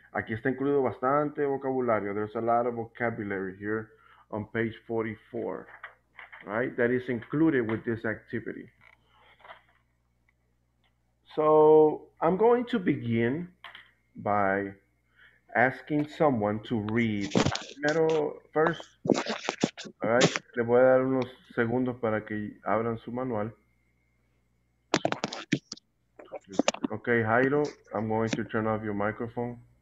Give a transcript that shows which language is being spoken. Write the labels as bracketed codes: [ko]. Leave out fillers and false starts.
[es] Aquí está incluido bastante vocabulario. [en] There's a lot of vocabulary here on page 44, right? That is included with this activity. So, I'm going to begin by asking someone to read. [es] Primero, [en] first, all right? [es] Le voy a dar unos segundos para que abran su manual. [en] Okay, Jairo, I'm going to turn off your microphone.